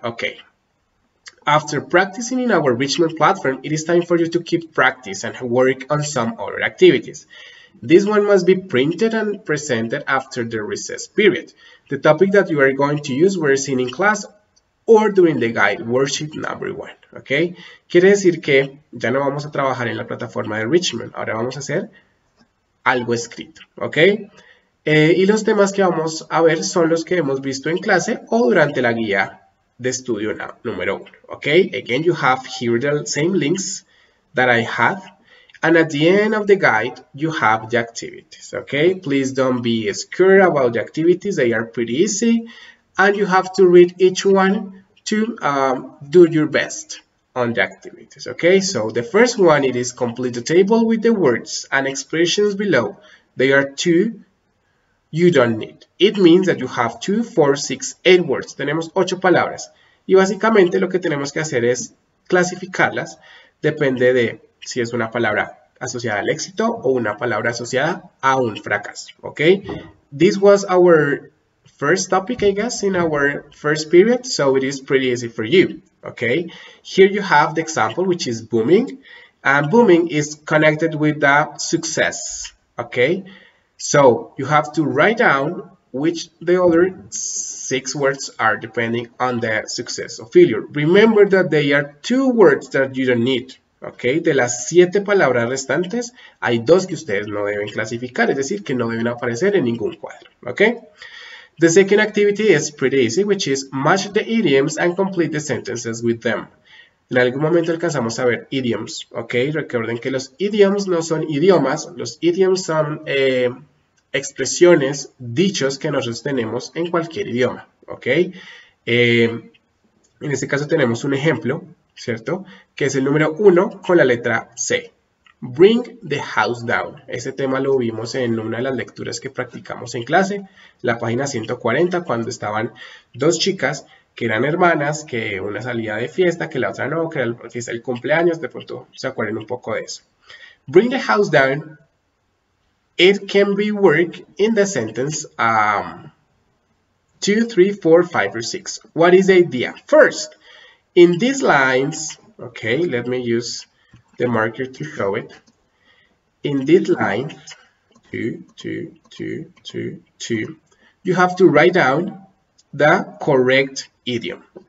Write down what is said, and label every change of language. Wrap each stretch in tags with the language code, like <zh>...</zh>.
<en>Okay, after practicing in our Richmond platform, it is time for you to keep practice and work on some other activities. This one must be printed and presented after the recess period. The topic that you are going to use were seen in class or during the guide, worksheet number one, ¿ok?</en> <es>Quiere decir que ya no vamos a trabajar en la plataforma de Richmond, ahora vamos a hacer algo escrito, ¿ok? Y los temas que vamos a ver son los que hemos visto en clase o durante la guía de estudio número uno, ¿ok?</es> <en>Again, you have here the same links that I have, and at the end of the guide, you have the activities, ¿ok? Please don't be scared about the activities, they are pretty easy, and you have to read each one to do your best on the activities, okay? So the first one, it is complete the table with the words and expressions below. They are two, you don't need. It means that you have 2, 4, 6, 8 words.</en> <es>Tenemos 8 palabras. Y básicamente lo que tenemos que hacer es clasificarlas. Depende de si es una palabra asociada al éxito o una palabra asociada a un fracaso, okay?</es> <en>This was our first topic, I guess, in our first period, so it is pretty easy for you, okay? Here you have the example, which is booming, and booming is connected with the success, okay? So you have to write down which the other 6 words are depending on the success or failure. Remember that there are 2 words that you don't need, okay? De las 7 palabras restantes, hay 2 que ustedes no deben clasificar, es decir, que no deben aparecer en ningún cuadro, okay? The second activity is pretty easy, which is match the idioms and complete the sentences with them.</en> <es>En algún momento alcanzamos a ver idioms, ¿ok? Recuerden que los idioms no son idiomas, los idioms son expresiones, dichos que nosotros tenemos en cualquier idioma, ¿ok? En este caso tenemos un ejemplo, ¿cierto? Que es el número 1 con la letra C.</es> <en>Bring the house down.</en> <es>Ese tema lo vimos en una de las lecturas que practicamos en clase, la página 140, cuando estaban dos chicas que eran hermanas, que una salía de fiesta, que la otra no, que era el cumpleaños, de pronto se acuerden un poco de eso.</es> <en>Bring the house down. It can be worked in the sentence 2, 3, 4, 5, or 6. What is the idea? First, in these lines, okay, let me use the marker to show it. In this line, 2, 2, 2, 2, 2, you have to write down the correct idiom.</en>